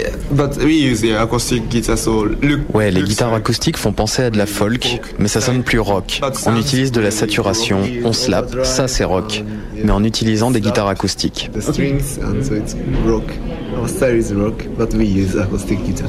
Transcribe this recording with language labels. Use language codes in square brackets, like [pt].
[en] But we use the acoustic guitar, so look. [fr] Ouais, les guitares acoustiques font penser à de la folk, mais ça sonne plus rock. On utilise de la saturation, on slap, ça c'est rock, mais en utilisant des guitares acoustiques. [en] The strings, and so it's rock. Our style is rock, but we use acoustic guitar.